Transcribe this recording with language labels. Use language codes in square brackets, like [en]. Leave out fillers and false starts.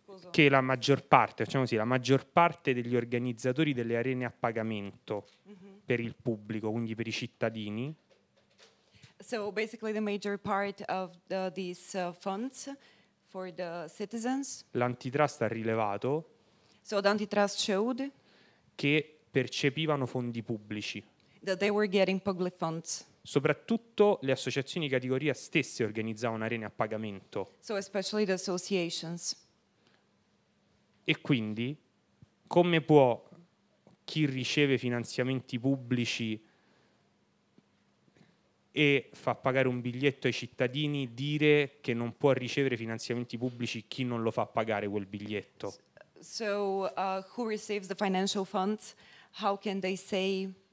[it] che la maggior parte, diciamo così, la maggior parte degli organizzatori delle arene a pagamento per il pubblico, quindi per i cittadini. [en] So basically the major part of these funds for the citizens. [it] L'antitrust ha rilevato. [en] So the antitrust showed [it] che percepivano fondi pubblici. [en] That they were getting public funds. [it] Soprattutto le associazioni di categoria stesse organizzavano arene a pagamento. [en] So especially the associations. [it] E quindi come può chi riceve finanziamenti pubblici e fa pagare un biglietto ai cittadini dire che non può ricevere finanziamenti pubblici chi non lo fa pagare quel biglietto? [en] So who receives the financial funds, how can they say,